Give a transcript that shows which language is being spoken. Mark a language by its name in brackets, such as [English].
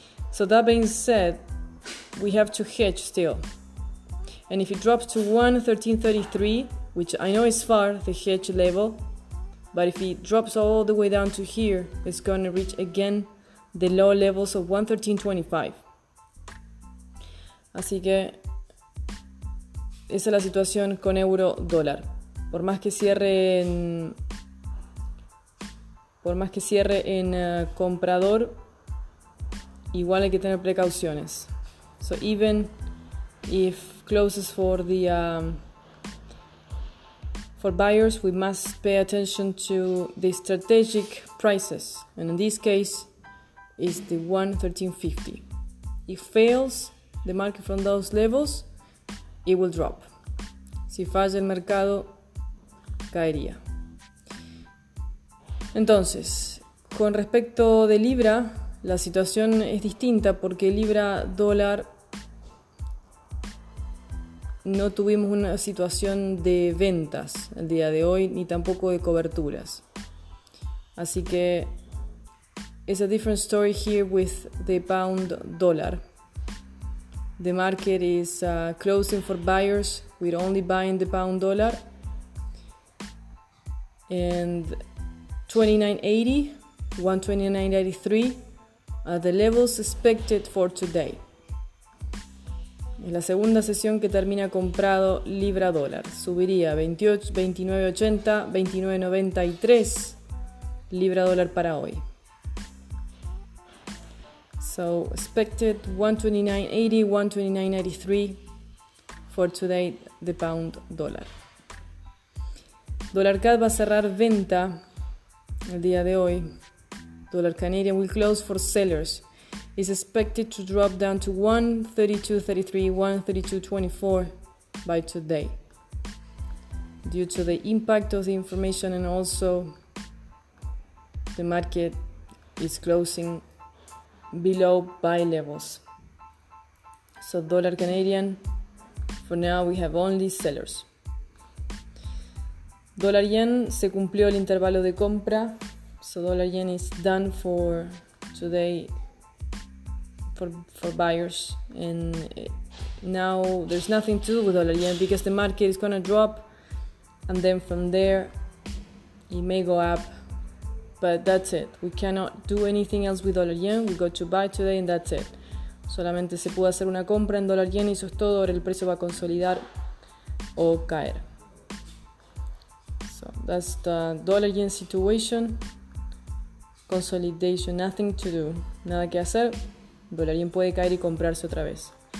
[English] So that being said, we have to hedge still. And if it drops to 1.1333, which I know is far, the hedge level, but if it drops all the way down to here, it's going to reach again the low levels of 1.1325. [Spanish] Así que esa es la situación con euro dólar. Por más que cierre en comprador, igual hay que tener precauciones. [English] So even if closes for the for buyers, we must pay attention to the strategic prices, and in this case is the 1.1350. If fails the market from those levels, it will drop. [Spanish] Si falla el mercado, caería. Entonces, con respecto de Libra, la situación es distinta porque Libra dólar no tuvimos una situación de ventas el día de hoy, ni tampoco de coberturas. Así que [English] it's a different story here with the pound dollar. The market is closing for buyers. We're only buying the pound dollar. And 1.2983 are the levels expected for today. [Spanish] Es la segunda sesión que termina comprado libra dólar. Subiría 28, 29.80, 29.93 libra dólar para hoy. [English] So expected 1.2980, 1.2993 for today the pound dollar. [Spanish] Dólar CAD va a cerrar venta el día de hoy. [English] Dólar Canadian will close for sellers. Is expected to drop down to 1.3233, 1.3224 by today. Due to the impact of the information and also the market is closing below buy levels. So dollar Canadian, for now we have only sellers. [Spanish] Dollar Yen, se cumplió el intervalo de compra. [English] So dollar Yen is done for today. For buyers, and now there's nothing to do with dollar yen because the market is gonna drop, and then from there it may go up, but that's it. We cannot do anything else with dollar yen. We got to buy today and that's it. [Spanish] Solamente se pudo hacer una compra en dollar yen y eso es todo. Ahora el precio va a consolidar o caer. [English] So that's the dollar yen situation. Consolidation, nothing to do, [Spanish] nada que hacer. Dólar yen puede caer y comprarse otra vez.